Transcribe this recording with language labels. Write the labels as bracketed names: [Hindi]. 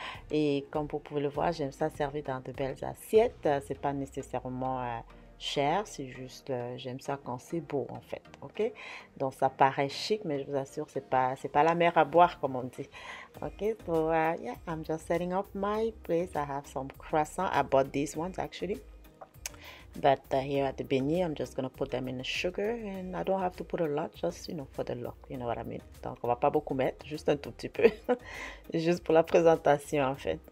[French] Et comme vous pouvez le voir, j'aime ça servir dans de belles assiettes. C'est pas nécessairement cher, c'est juste j'aime ça quand c'est beau en fait. Ok, donc ça paraît chic, mais je vous assure, c'est pas la mer à boire, comme on dit. [English] Ok, so yeah, I'm just setting up my place. I have some croissants. I bought these ones actually, but here at the beignet, I'm just gonna put them in the sugar, and I don't have to put a lot, just for the look, you know what I mean. [French] Donc on va pas beaucoup mettre, juste un tout petit peu juste pour la présentation en fait.